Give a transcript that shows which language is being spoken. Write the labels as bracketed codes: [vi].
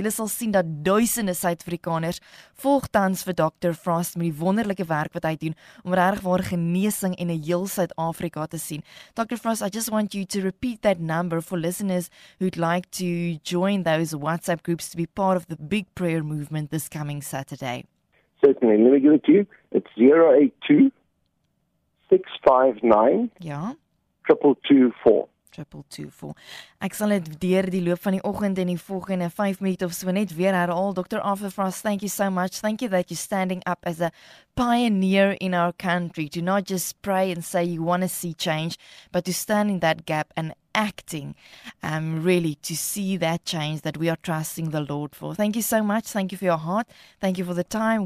[af] Julle sal sien dat duisende Suid-Afrikaners volg tans vir Dr. Frost met die wonderlike werk wat hy doen om regwaar genesing en 'n heel Suid-Afrika te sien. Dr. [en] Frost, I just want you to repeat that number for listeners who'd like to join those WhatsApp groups to be part of the big prayer movement this coming Saturday. Certainly. Let me give it to you. It's 082-659 2224. 224. [af] Ek sal dit deur die loop van die oggend en die volgende 5 minute of so net weer herhaal. [en] Dr. Arthur Frost, thank you so much. Thank you that you're standing up as a pioneer in our country to not just pray and say you want to see change, but to stand in that gap and acting really to see that change that we are trusting the Lord for. Thank you so much. Thank you for your heart. Thank you for the time.